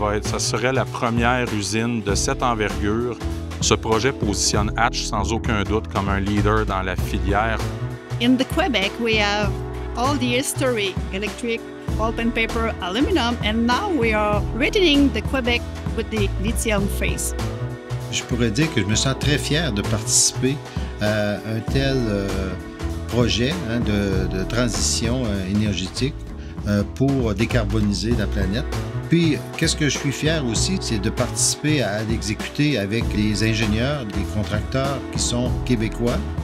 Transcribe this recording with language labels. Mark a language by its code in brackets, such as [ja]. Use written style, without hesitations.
[fr] Ça serait la première usine de cette envergure. Ce projet positionne Hatch sans aucun doute comme un leader dans la filière. [en] In the Quebec, we have all the history, electric, pulp and paper, aluminum, and now we are reading the Quebec with the lithium phase. [fr] Je pourrais dire que je me sens très fier de participer à un tel projet hein, de transition énergétique pour décarboniser la planète. Puis, qu'est-ce que je suis fier aussi, c'est de participer à l'exécuter avec les ingénieurs, les contracteurs qui sont québécois.